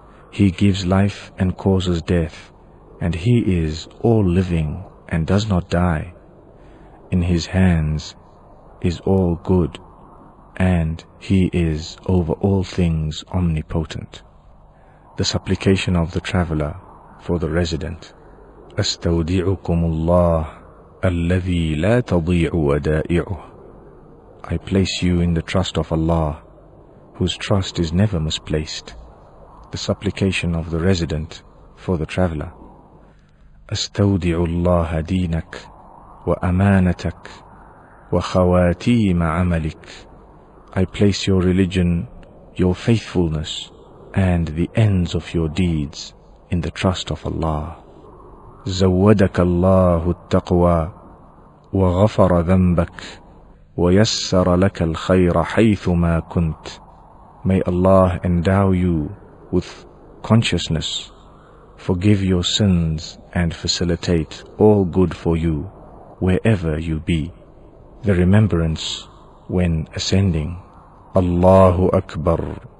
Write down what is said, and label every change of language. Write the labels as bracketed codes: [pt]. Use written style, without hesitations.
[en] He gives life and causes death, and He is all living and does not die. In His hands is all good, and He is over all things omnipotent. The supplication of the traveller for the resident. [ar] أستودعكم الله الذي لا تضيع ودائعه. [en] I place you in the trust of Allah, whose trust is never misplaced. The supplication of the resident for the traveller. [ar] أستودع الله دينك وأمانتك وخواتيم عملك. [en] I place your religion, your faithfulness, and the ends of your deeds in the trust of Allah. [ar] زودك الله التقوى وغفر ذنبك ويسر لك الخير حيثما كنت. [en] May Allah endow you with consciousness, forgive your sins, and facilitate all good for you wherever you be. The remembrance when ascending. [ar] الله أكبر.